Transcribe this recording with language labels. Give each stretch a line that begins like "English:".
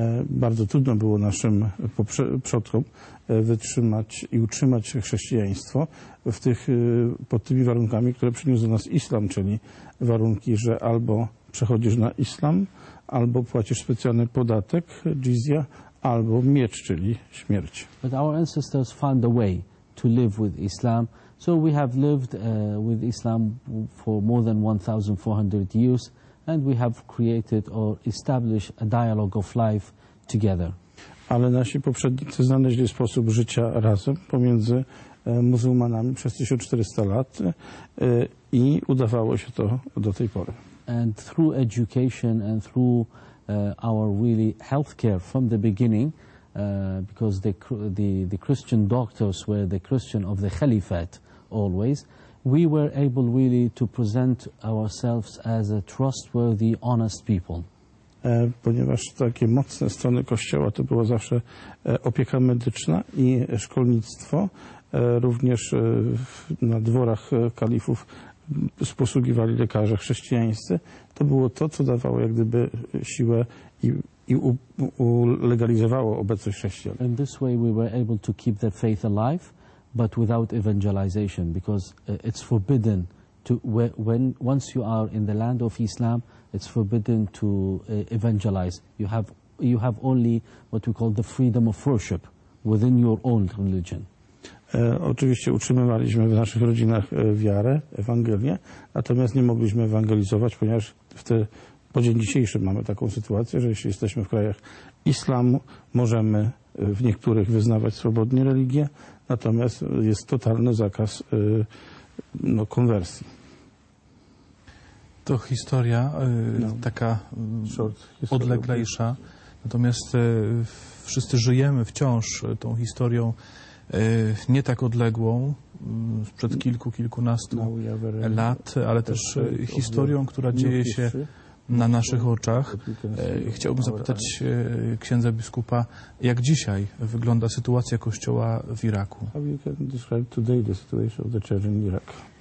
Polish: bardzo trudno było naszym przodkom wytrzymać i utrzymać chrześcijaństwo w tych, pod tymi warunkami, które przyniósł do nas islam, czyli warunki, że albo przechodzisz na islam, albo płacisz specjalny podatek, dżizja, albo miecz, czyli śmierć.
English: But our ancestors found a way to live with Islam. So we have lived with Islam for more than 1,400 years and we have created or established a dialogue of life together.
Polish: Ale nasi poprzednicy znaleźli sposób życia razem pomiędzy muzułmanami przez 1400 lat i udawało się to do tej pory.
English: And through education and through our really healthcare from the beginning, because the Christian doctors were the Christian of the Khalifat always, we were able really to present ourselves as a trustworthy, honest people.
Polish: Ponieważ takie mocne strony Kościoła to było zawsze opieka medyczna i szkolnictwo, również na dworach kalifów posługiwali lekarze chrześcijańscy, to było to, co dawało jak gdyby siłę i ulegalizowało obecność chrześcijan.
English: In this way we were able to keep the faith alive, but without evangelization, because it's forbidden to, when once you are in the land of Islam, it's forbidden to evangelize. You have only what we call the freedom of worship within your own religion.
Polish: Oczywiście utrzymywaliśmy w naszych rodzinach wiarę, Ewangelię, natomiast nie mogliśmy ewangelizować, ponieważ po dzień dzisiejszy mamy taką sytuację, że jeśli jesteśmy w krajach islamu, możemy w niektórych wyznawać swobodnie religię, natomiast jest totalny zakaz no, konwersji. To historia taka odleglejsza, natomiast wszyscy żyjemy wciąż tą historią nie tak odległą, sprzed kilkunastu lat, ale też historią, która dzieje się na naszych oczach. Chciałbym zapytać księdza biskupa, jak dzisiaj wygląda sytuacja Kościoła w Iraku?
English: How you can describe today the situation of the church in Iraq?